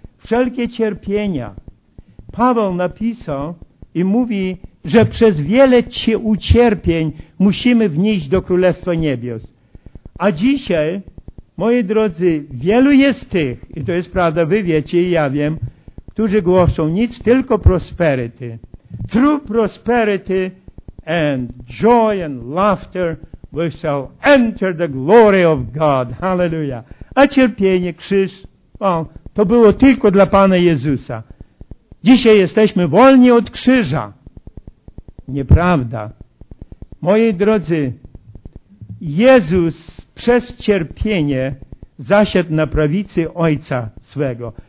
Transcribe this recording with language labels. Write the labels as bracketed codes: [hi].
[pl] Wszelkie cierpienia. Paweł napisał i mówi, że przez wiele ucierpień musimy wnieść do Królestwa Niebios. A dzisiaj, moi drodzy, wielu jest tych, i to jest prawda, wy wiecie i ja wiem, którzy głoszą nic, tylko prosperity. [en] True prosperity and joy and laughter, we shall enter the glory of God. Hallelujah. [pl] A cierpienie, krzyż, well, to było tylko dla Pana Jezusa. Dzisiaj jesteśmy wolni od krzyża. Nieprawda. Moi drodzy, Jezus przez cierpienie zasiadł na prawicy Ojca swego.